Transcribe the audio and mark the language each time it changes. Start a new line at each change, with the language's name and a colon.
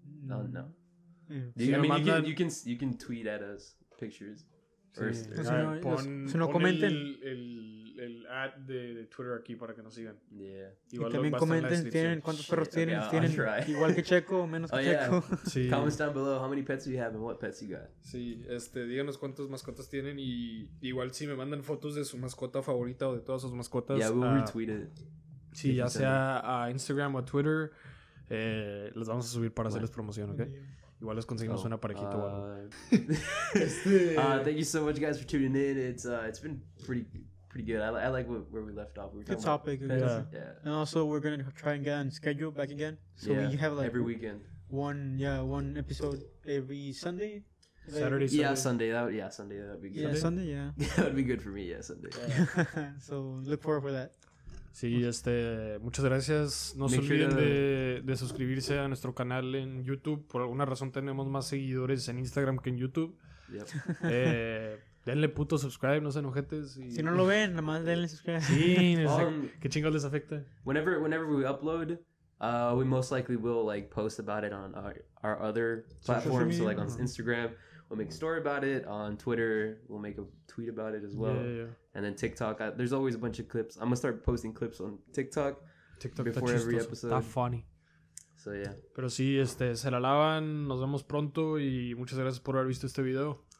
English: No. Yeah. Yeah. I mean, you can tweet at us pictures.
Spanish: Sí.
English: Or, yeah.
Spanish: Si no comenten... El ad de Twitter aquí para que nos sigan.
English: Yeah.
Spanish: Igual y también comenten tienen cuántos perros shit, tienen. Okay, tienen igual que Checo o menos que Checo.
English: Yeah. Sí. Comments down below how many pets you have and what pets you got.
Spanish: Sí, díganos cuántas mascotas tienen y igual si me mandan fotos de su mascota favorita o de todas sus mascotas.
English: Yeah, we'll retweet it.
Spanish: Sí, ya sea a Instagram o a Twitter, las vamos a subir para hacerles promoción, ¿ok? Igual les conseguimos una parejita.
English: Thank you so much, guys, for tuning in. It's been pretty good. I like where we left off. We were good topic. Yeah. Yeah. And also, we're going to try and get on schedule back again. So yeah, we have like... Every weekend. One episode every Sunday. Saturday, yeah, Sunday. Sunday. That would be good. Yeah, Sunday, yeah. That would be good for me, yeah, Sunday. Yeah. So look forward for that.
Spanish: Sí, muchas gracias. No se olviden de suscribirse a nuestro canal en YouTube. Por alguna razón tenemos más seguidores en Instagram que en YouTube.
English: Yep.
Spanish: Denle puto subscribe, no sean ojetes. Y... Si no lo ven, nada más denle subscribe. Sí, ¿qué chingos les afecta?
English: Whenever we upload, we most likely will like post about it on our other platforms. So like on Instagram, we'll make a story about it. On Twitter, we'll make a tweet about it as well. Yeah. And then TikTok, there's always a bunch of clips. I'm gonna start posting clips on TikTok before every episode. That's funny. So yeah.
Spanish: Pero sí, se la lavan. Nos vemos pronto y muchas gracias por haber visto este video.